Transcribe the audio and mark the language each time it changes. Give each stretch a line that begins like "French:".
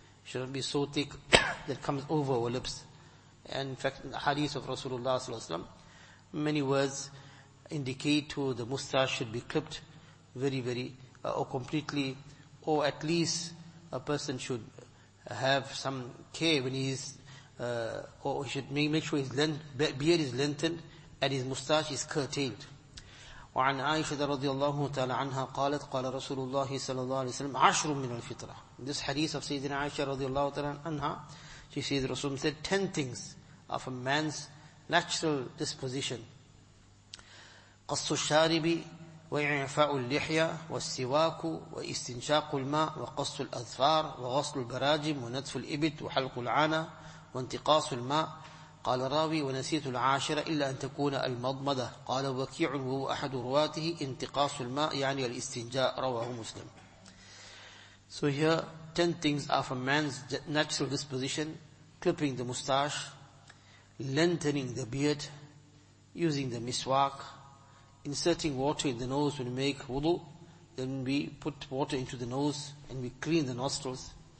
English: It should not be so thick that it comes over our lips. And in fact, in the hadith of Rasulullah
Arabic: sallallahu alayhi wa sallam,
English: many words indicate to the moustache should be clipped very, very, or completely, or at least a person should have some care when he is, or he should make sure his beard is lengthened and his moustache is curtailed.
Arabic: وعن عائشة رضي الله تعالى عنها قالت قال رسول الله صلى الله عليه وسلم عشر من الفطرة.
English: This hadith of Sayyidina Aisha
Arabic: رضي الله تعالى عنها,
English: she says Rasul said 10 things of a man's natural disposition.
Arabic: قص الشارب وإعفاء اللحية والسواك واستنشاق الماء وقص الأظفار وغسل البراجم ونتف الإبط وحلق العانة وانتقاص الماء. قال الراوي ونسيت العاشرة إلا أن تكون المضمضة. قال وكيع وهو أحد رواته انتقاص الماء يعني الاستنجاء. رواه مسلم.
English: So here 10 things are from man's natural disposition: clipping the moustache, lengthening the beard, using the miswak, inserting water in the nose when we make wudu, then we put water into the nose and we clean the nostrils,